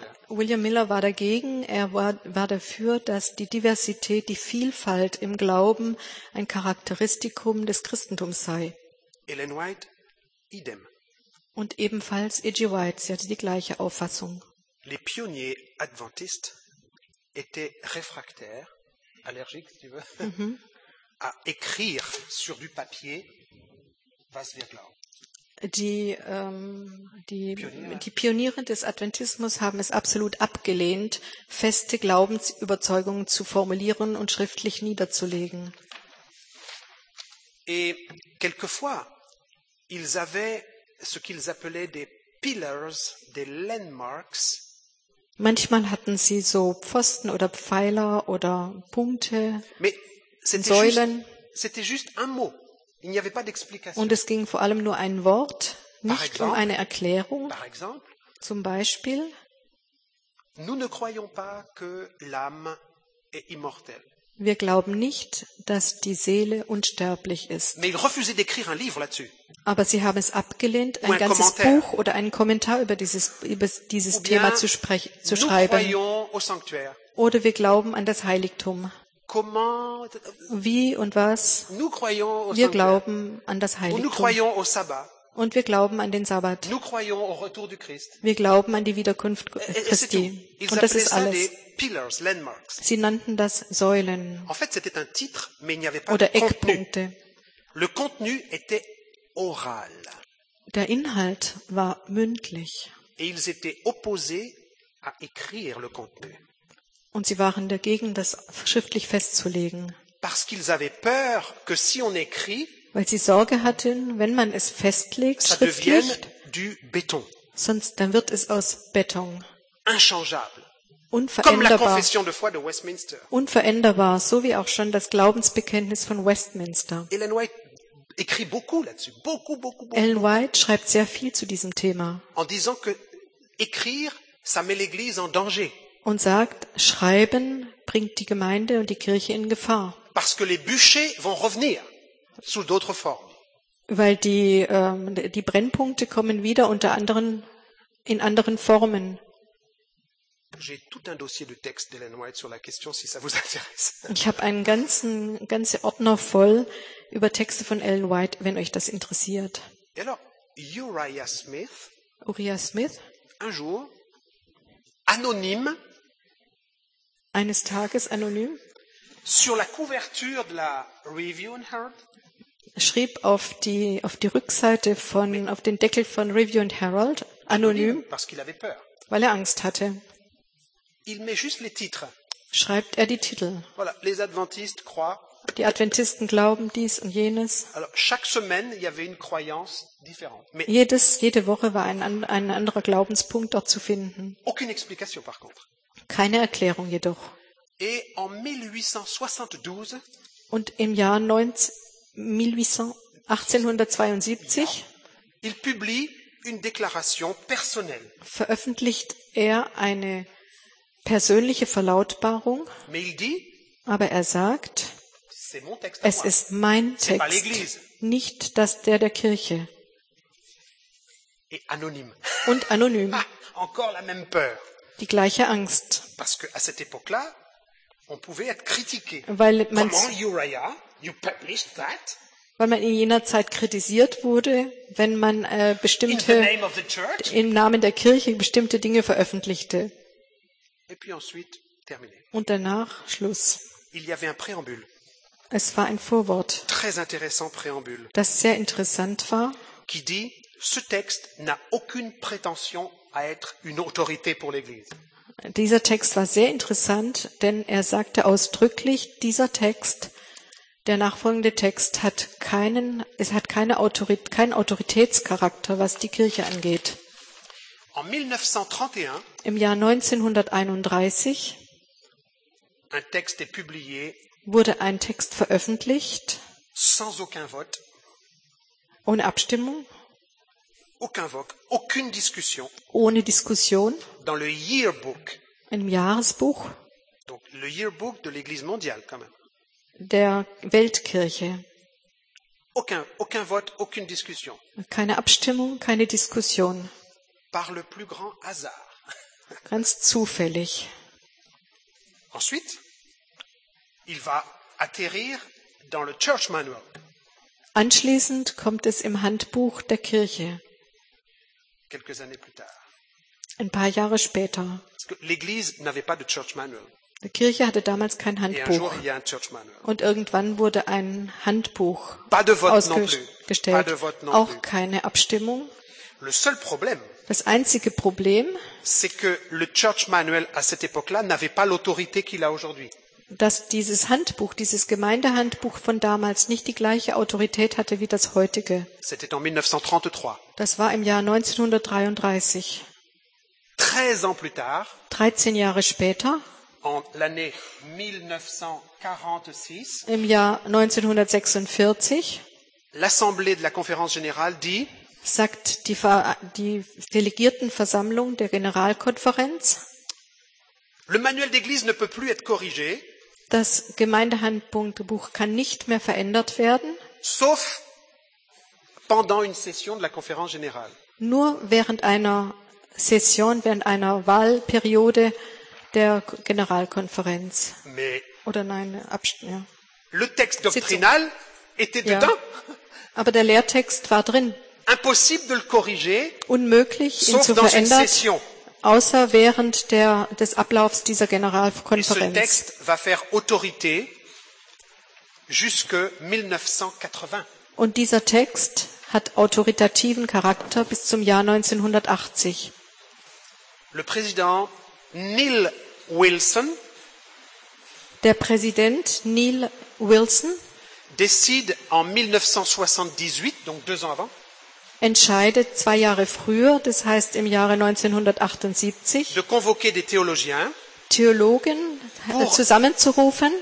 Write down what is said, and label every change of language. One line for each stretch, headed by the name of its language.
German: William Miller war dagegen, er war dafür, dass die Diversität, die Vielfalt im Glauben ein Charakteristikum des Christentums sei. Ellen White, idem. Und ebenfalls E.G. White, sie hatte die gleiche Auffassung.
French: Les pionniers adventistes étaient réfractaires, allergiques, si tu veux, à écrire sur du papier,
German: was wir glauben. Die Pioniere des Adventismus haben es absolut abgelehnt, feste Glaubensüberzeugungen zu formulieren und schriftlich niederzulegen.
French: Et quelquefois, ils avaient ce qu'ils appelaient des pillars, des landmarks.
German: Manchmal hatten sie so Pfosten oder Pfeiler oder Punkte,
French: Säulen. C'était juste un mot. Il n'y avait pas d'explication.
German: Und es ging vor allem nur ein Wort, nicht
French: exemple,
German: um eine Erklärung.
French: Par exemple,
German: zum Beispiel,
French: nous ne croyons pas que l'âme est immortelle.
German: Wir glauben nicht, dass die Seele unsterblich ist.
French: Mais ils refusaient d'écrire un livre là-dessus.
German: Aber sie haben es abgelehnt, ein ganzes Buch oder einen Kommentar über dieses Thema zu schreiben.
French: Nous croyons au sanctuaire.
German: Oder wir glauben an das Heiligtum.
French: comment,
German: wie und was
French: nous croyons au
German: wir glauben an das Heiligtum.
French: Nous croyons au sabbat.
German: Und wir glauben an den Sabbat.
French: Nous croyons au retour du Christ.
German: Wir glauben an die Wiederkunft Christi. Und das ist alles.
English: Pillars, landmarks.
German: Sie nannten das Säulen.
French: En fait, c'était un titre, mais il n'y avait pas
German: oder
French: de
German: Eckpunkte.
French: Le contenu était oral.
German: Der Inhalt war mündlich.
French: Et ils étaient opposés à écrire le contenu.
German: Und sie waren dagegen, das schriftlich festzulegen.
French: Parce qu'ils avaient peur que si on écrit,
German: weil sie Sorge hatten, wenn man es festlegt,
French: ça devient du béton.
German: Sonst dann wird es aus Beton.
English: Unchangeable.
German: Unveränderbar.
French: Comme la confession de foi de Westminster.
German: Unveränderbar, so wie auch schon das Glaubensbekenntnis von Westminster.
French: Ellen White écrit beaucoup là-dessus, beaucoup, beaucoup, beaucoup.
German: Ellen White schreibt sehr viel zu diesem Thema.
French: En disant que écrire, ça met l'Église en danger.
German: Und sagt, Schreiben bringt die Gemeinde und die Kirche in Gefahr.
French: Parce que les bûchers vont revenir sous d'autres formes.
German: Weil die die Brennpunkte kommen wieder unter anderen in anderen Formen.
French: J'ai tout un dossier de texte d'Ellen White sur la question, si ça vous intéresse.
German: Ich habe einen ganzen Ordner voll über Texte von Ellen White, wenn euch das interessiert.
French: Et alors, Uriah Smith.
German: Uriah Smith.
French: Un jour, anonyme.
German: Eines Tages anonym.
French: Sur la couverture de la Review and Herald.
German: Schrieb auf die Rückseite von mais, auf den Deckel von Review and Herald anonym.
French: Parce qu'il avait peur.
German: Weil er Angst hatte.
French: Il met juste les titres.
German: Schreibt er die Titel.
French: Voilà, les Adventistes croient.
German: Die Adventisten glauben dies und jenes.
French: Alors, chaque semaine, il y avait une croyance différente.
German: Mais jede Woche war ein anderer Glaubenspunkt dort zu finden.
French: Aucune explication par contre.
German: Keine Erklärung jedoch.
French: Et en 1872
German: und im Jahr 1872
French: il publie une déclaration personnelle.
German: Veröffentlicht er eine persönliche Verlautbarung.
French: Mais il dit,
German: aber er sagt,
French: c'est mon texte,
German: es ist mein
French: c'est
German: Text,
French: pas l'église.
German: Nicht das der Kirche.
French: Et anonyme.
German: Und anonym.
French: Encore la même peur.
German: Die gleiche Angst.
French: Parce que à cette époque-là, on pouvait être critiqué.
German: Weil
English: man, comment, Uriah, you published that?
German: Weil man in jener Zeit kritisiert wurde, wenn man bestimmte
English: in the name of the church?
German: Im Namen der Kirche bestimmte Dinge veröffentlichte.
French: Et puis ensuite, terminé.
German: Und danach Schluss.
French: Il y avait un préambule.
German: Es war ein Vorwort.
French: Très intéressant préambule.
German: Das sehr interessant war.
French: Qui dit, ce texte n'a aucune prétention à être une autorité pour l'Église.
German: Dieser Text war sehr interessant, denn er sagte ausdrücklich, dieser Text, der nachfolgende Text, hat keinen Autoritätscharakter, was die Kirche angeht.
French: En 1931,
German: im Jahr 1931
French: un texte est publié,
German: wurde ein Text veröffentlicht,
French: sans aucun vote,
German: ohne Abstimmung,
French: aucun vote, aucune discussion,
German: ohne Diskussion,
French: dans le yearbook.
German: Im Jahresbuch.
French: Donc, le yearbook de l'Église mondiale, quand même.
German: Der Weltkirche.
French: Aucun vote, aucune discussion.
German: Keine Abstimmung, keine Diskussion.
French: Par le plus grand hasard.
German: Ganz zufällig.
French: Ensuite, il va atterrir dans le Church Manual.
German: Anschließend kommt es im Handbuch der Kirche.
French: Quelques années plus tard.
German: Ein paar Jahre später.
French: L'Église n'avait pas de church manual.
German: Die Kirche hatte damals kein Handbuch. Und irgendwann wurde ein Handbuch ausgestellt.
French: Pas de vote non
German: auch
French: plus.
German: Keine Abstimmung.
French: Le seul problème,
German: das einzige Problem
French: c'est que le church manual à cette époque-là n'avait pas l'autorité qu'il a aujourd'hui.
German: Dass dieses Handbuch, dieses Gemeindehandbuch von damals nicht die gleiche Autorität hatte wie das heutige.
French: C'était en 1933.
German: Das war im Jahr 1933.
French: 13 ans plus tard,
German: 13 Jahre später,
French: en l'année 1946,
German: im Jahr 1946,
French: l'Assemblée de la Conférence Générale dit,
German: sagt die Delegiertenversammlung der Generalkonferenz,
French: le manuel d'église ne peut plus être corrigé,
German: das Gemeindehandbuch kann nicht mehr verändert werden,
French: sauf pendant une session de la Conférence Générale.
German: Nur während einer Session während einer Wahlperiode der Generalkonferenz.
French: Mais
German: Oder nein,
French: Le texte doctrinal était dedans.
German: Aber der Lehrtext war drin.
French: Impossible de le corriger.
German: Unmöglich, ihn zu verändern. Außer während des Ablaufs dieser Generalkonferenz.
French: Et ce texte va faire autorité jusque 1980.
German: Und dieser Text hat autoritativen Charakter bis zum Jahr 1980.
French: Le président Neil Wilson.
German: Der Präsident Neil Wilson
French: décide en 1978, donc deux ans avant,
German: entscheidet zwei Jahre früher, das heißt im Jahre 1978,
French: de convoquer des théologiens,
German: Theologen pour, zusammenzurufen,